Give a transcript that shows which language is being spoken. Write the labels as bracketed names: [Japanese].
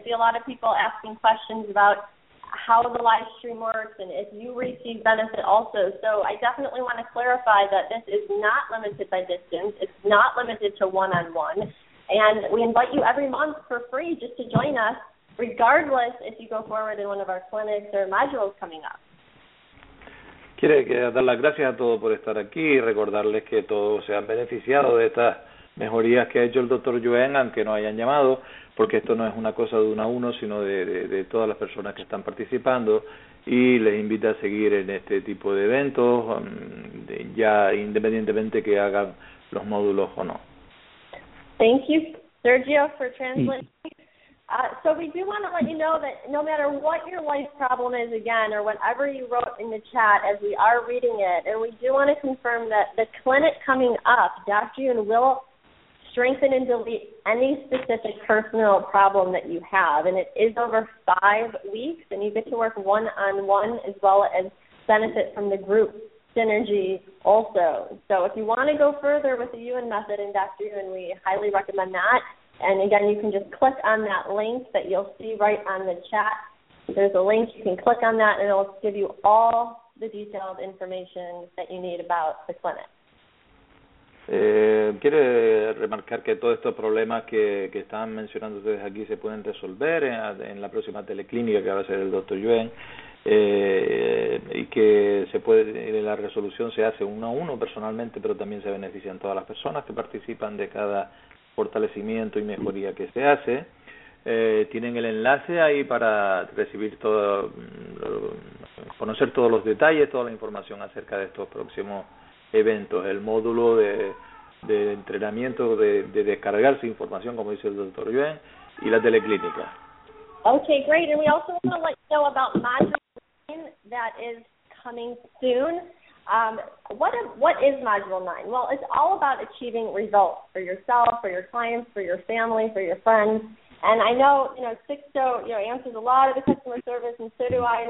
[English] I see a lot of people asking questions about how the live stream works and if you receive benefit also. So I definitely want to clarify that this is not limited by distance. It's not limited to one-on-one. And we invite you every month for free just to join us, regardless if you go forward in one of our clinics or modules coming up. [Spanish] Quiere dar las gracias a todos por estar aquí y recordarles que todos se han beneficiado de estas mejorías que ha hecho el doctor Yuen, aunque no hayan llamado, porque esto no es una cosa de uno a uno, sino de todas las personas que están participando, y les invita a seguir en este tipo de eventos, ya independientemente que hagan los módulos o no. [English] Thank you, Sergio, for translating. So we do want to let you know that no matter what your life problem is, again, or whatever you wrote in the chat as we are reading it, and we do want to confirm that the clinic coming up, Dr. Yuen will strengthen and delete any specific personal problem that you have. And it is over 5 weeks, and you get to work one-on-one as well as benefit from the group synergy also. So if you want to go further with the Yuen method and Dr. Yuen, we highly recommend that. And again, you can just click on that link that you'll see right on the chat. There's a link. You can click on that, and it'll give you all the detailed information that you need about the clinic. [Spanish] Quiere remarcar que todos estos problemas que están mencionando ustedes aquí se pueden resolver en la próxima teleclínica que va a ser el Dr. Yuen, y que se puede, la resolución se hace uno a uno personalmente, pero también se benefician todas las personas que participan de cada fortalecimiento y mejoría que se hace. Tienen el enlace ahí para recibir todo, conocer todos los detalles, toda la información acerca de estos próximos eventos, el módulo de entrenamiento, de descargar su información, como dice el doctor Yuen, y la teleclínica. [English] Okay, great. And we also want to let you know about Module 9 that is coming soon. What is Module 9? Well, it's all about achieving results for yourself, for your clients, for your family, for your friends. And I know, you know, Sixto, you know, answers a lot of the customer service, and so do I.